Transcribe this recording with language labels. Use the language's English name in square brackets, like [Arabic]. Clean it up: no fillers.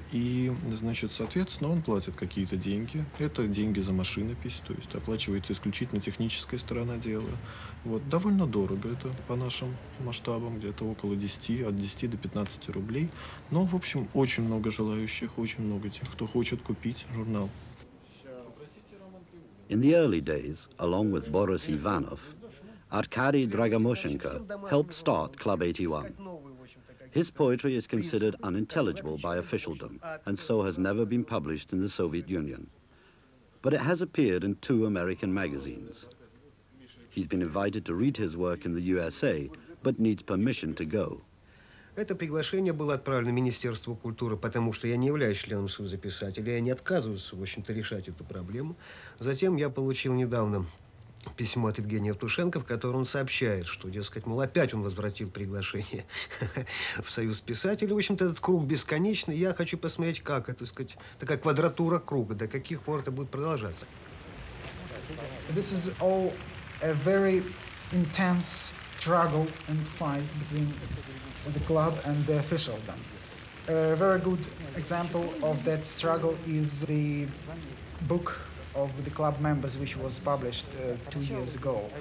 [Russian] И, значит, соответственно, он платит какие-то деньги. Это деньги за машинопись, то есть оплачивается исключительно техническая сторона дела. Вот. Довольно дорого это по нашим масштабам, где-то около 10, от 10 до 15 рублей. Но, в общем, очень много желающих, очень много тех, кто хочет купить журнал. [English] In the early days, along with Boris Ivanov, Arkady Dragomoshenko helped start Club 81. His poetry is considered unintelligible by officialdom, and so has never been published in the Soviet Union. But it has appeared in two American magazines. He's been invited to read his work in the USA, but needs permission to go. [Russian] Это приглашение было отправлено Министерству культуры, потому что я не являюсь членом Союза писателей, я не отказываюсь, в общем-то, решать эту проблему. Затем я получил недавно письмо от Евгения Евтушенко, в котором он сообщает, что, дескать, мол, опять он возвратил приглашение в Союз писателей. В общем-то, этот круг бесконечный. Я хочу посмотреть, как это, так сказать, такая квадратура круга, до каких пор это будет продолжаться. [English] This is all a very intense struggle and fight between the club and the officialdom. A very good example of that struggle is the book of the club members, which was published 2 years ago.